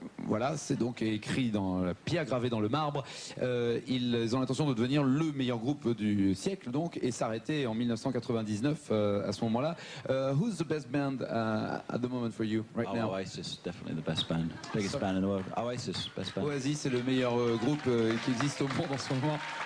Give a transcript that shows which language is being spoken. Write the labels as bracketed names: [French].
[French] Voilà, c'est donc écrit dans la pierre, gravé dans le marbre. Ils ont l'intention de devenir le meilleur groupe du siècle, donc, et s'arrêter en 1999 à ce moment-là. [English] Who's the best band at the moment for you right now? Oasis, definitely the best band, biggest band in the world. Oasis, best band. [French] Oasis, c'est le meilleur groupe qui existe au monde en ce moment.